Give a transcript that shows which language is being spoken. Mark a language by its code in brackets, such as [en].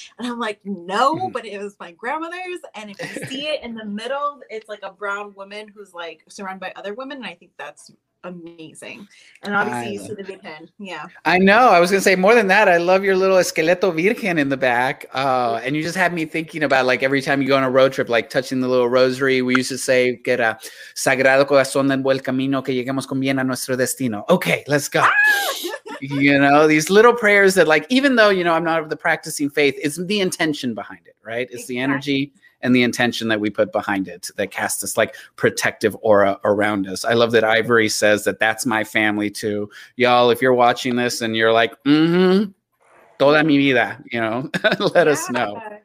[en] And I'm like, no, but it was my grandmother's. And if you see it in the middle, it's like a brown woman who's like surrounded by other women. And I think that's amazing. And obviously you see the Virgen. Yeah. I know. I was going to say more than that. I love your little Esqueleto Virgen in the back. Oh, and you just had me thinking about like every time you go on a road trip, like touching the little rosary. We used to say, [es] que era Sagrado Corazón del Buen Camino, que lleguemos con bien a nuestro destino. [en] Okay, let's go. You know, these little prayers that like, even though, you know, I'm not of the practicing faith, it's the intention behind it, right? It's exactly. The energy and the intention that we put behind it that casts this like protective aura around us. I love that Ivory says that that's my family too. Y'all, if you're watching this and you're like, mm-hmm, [es] toda mi vida, [en] you know, let us know.